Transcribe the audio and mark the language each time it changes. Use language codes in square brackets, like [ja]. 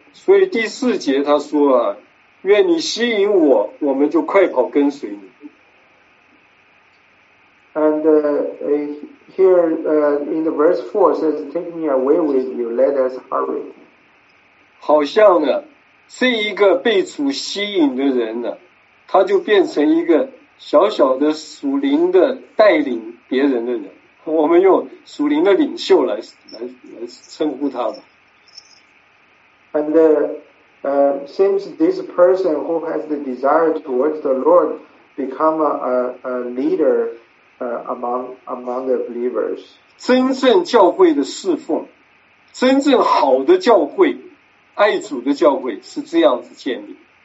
[zh] 所以第四节他说啊，愿你吸引我，我们就快跑跟随你。 [en] And in the verse 4 says, take me away with you, let us hurry. [zh] 好像呢，这一个被主吸引的人呢，他就变成一个小小的属灵的带领别人的人，我们用属灵的领袖来称呼他吧。 [en] And since this person who has the desire towards the Lord become a leader among the believers, [zh] 真正教会的侍奉，真正好的教会，爱主的教会是这样子建立。